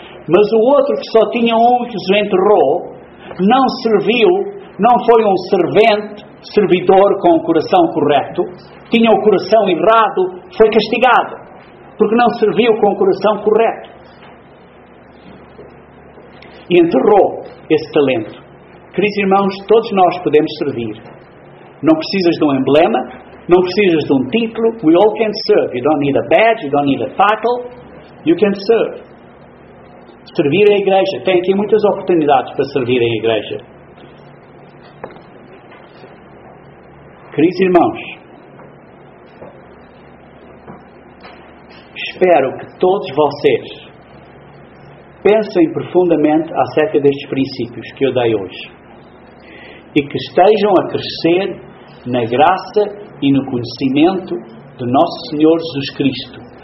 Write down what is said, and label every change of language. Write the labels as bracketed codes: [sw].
[pt] Mas o outro, que só tinha 1, que os enterrou, não serviu, não foi um servente, servidor com o coração correto, tinha o coração errado, foi castigado, porque não serviu com o coração correto. E enterrou esse talento. Queridos irmãos, todos nós podemos servir. Não precisas de um emblema, não precisas de um título. [en] We all can serve. You don't need a badge, you don't need a title. You can serve. [pt] Servir a Igreja. Tem aqui muitas oportunidades para servir a Igreja. Queridos irmãos, espero que todos vocês pensem profundamente acerca destes princípios que eu dei hoje e que estejam a crescer na graça e no conhecimento do nosso Senhor Jesus Cristo.